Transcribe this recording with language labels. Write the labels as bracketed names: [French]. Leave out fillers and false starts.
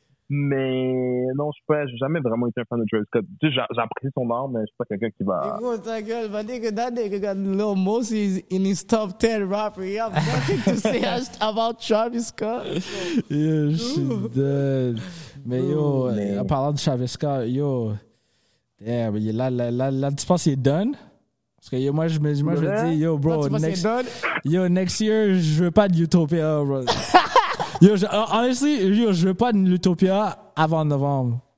[French] Mais non, j'ai jamais vraiment été un fan de Travis Scott. Tu sais, j'apprécie son art, mais je suis pas quelqu'un qui va. [English] Yo, [French] ta gueule, va dire que [English] that nigga got Lil Mosey in his top 10 rapper. You have nothing to say about Travis Scott. Yo, she's dead. [French] Mais yo, en parlant de Travis Scott, yo, damn, là, tu penses qu'il est done? Parce que yo, moi je dis, yo, bro, [English] next year, [French] je veux pas de Utopia, bro. Yo, je veux pas de l'Utopia avant novembre.